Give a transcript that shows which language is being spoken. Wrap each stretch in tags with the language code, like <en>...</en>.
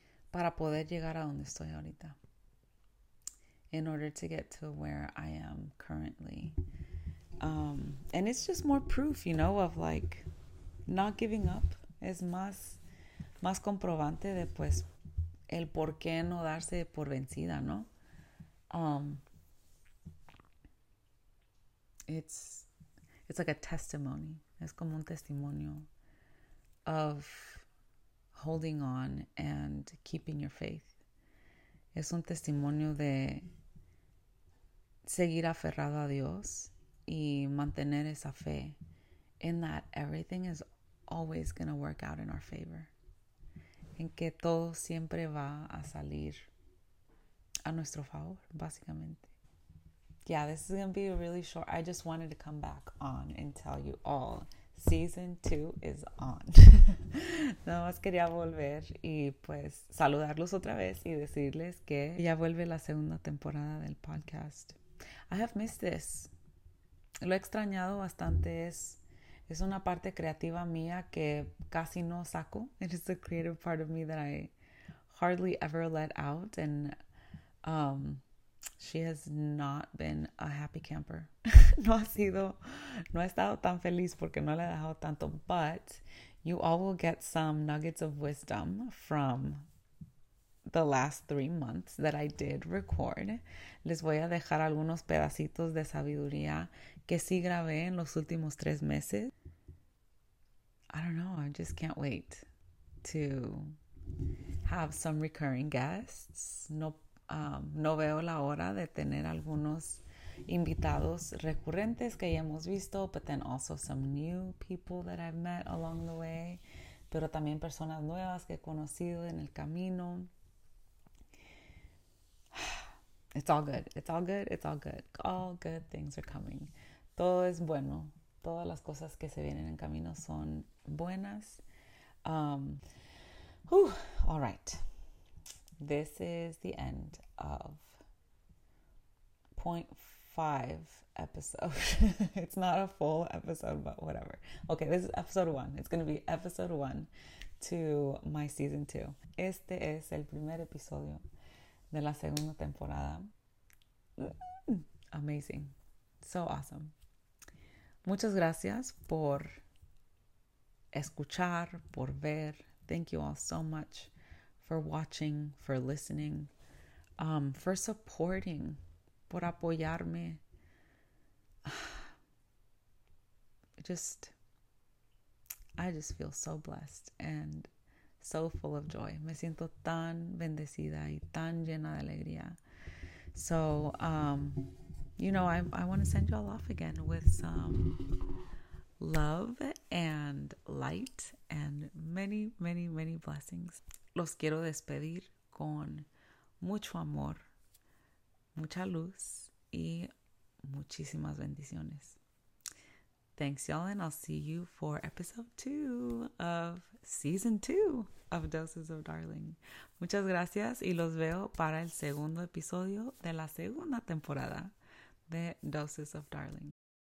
<es>Para poder llegar a donde estoy ahorita.</es> <en>In order to get to where I am currently. And it's just more proof, you know, of like not giving up.</en> <es>Es más, más comprobante de pues el por qué no darse por vencida, ¿no?</es> <en>It's like a testimony.</en> <es>Es como un testimonio</es> <en>of holding on and keeping your faith.</en> <es>Es un testimonio de seguir aferrado a Dios y mantener esa fe</es> <en>in that everything is always going to work out in our favor.</en> <es>En que todo siempre va a salir a nuestro favor, básicamente.</es> <en>Yeah, this is going to be really short. I just wanted to come back on and tell you all. Season 2 is on.</en> <es>Nada más quería volver y pues saludarlos otra vez y decirles que ya vuelve la segunda temporada del podcast.</es> <en>I have missed this.</en> <es>Lo he extrañado bastante. Es una parte creativa mía que casi no saco.</es> <en>It is a creative part of me that I hardly ever let out. And she has not been a happy camper. No ha estado tan feliz porque no le he dejado tanto. But you all will get some nuggets of wisdom from the last 3 months that I did record.</en> <es>Les voy a dejar algunos pedacitos de sabiduría que sí grabé en los últimos 3 meses.</es> <en>I don't know, I just can't wait to have some recurring guests.</en> <es>No veo la hora de tener algunos invitados recurrentes que ya hemos visto,</es> <en>but then also some new people that I've met along the way,</en> <es>pero también personas nuevas que he conocido en el camino.</es> <en>It's all good. It's all good. It's all good. All good things are coming.</en> <es>Todo es bueno. Todas las cosas que se vienen en camino son buenas.</es> <en>All right. This is the end of 0.5 episode. It's not a full episode, but whatever. Okay, this is episode 1. It's going to be episode 1 to my season 2.</en> <es>Este es el primer episodio de la segunda temporada.</es> <en>Amazing. So awesome.</en> <es>Muchas gracias por escuchar, por ver.</es> <en>Thank you all so much for watching, for listening, for supporting,</en> <es>por apoyarme.</es> <en>I just feel so blessed and so full of joy.</en> <es>Me siento tan bendecida y tan llena de alegría.</es> <en>So, I want to send y'all off again with some love and light and many, many, many blessings.</en> <es>Los quiero despedir con mucho amor, mucha luz y muchísimas bendiciones.</es> <en>Thanks, y'all, and I'll see you for episode 2 of season 2 of Doses of Darling.</en> <es>Muchas gracias y los veo para el segundo episodio de la segunda temporada de Doses of Darling.</es>